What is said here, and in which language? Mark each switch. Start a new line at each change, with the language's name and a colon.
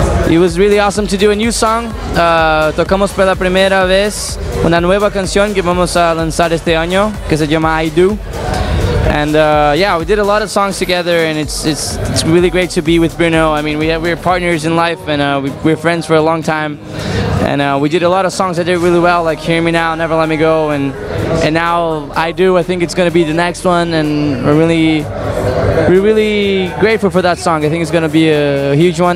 English: It was really awesome to do a new song.
Spanish: Tocamos por la primera vez una nueva canción que vamos a lanzar este año, que se llama I Do.
English: And yeah, we did a lot of songs together, and it's really great to be with Bruno. I mean, we're partners in life, and we're friends for a long time. And we did a lot of songs that did really well, like Hear Me Now, Never Let Me Go, and now I Do. I think it's going to be the next one, and we're really grateful for that song. I think it's going to be a huge one.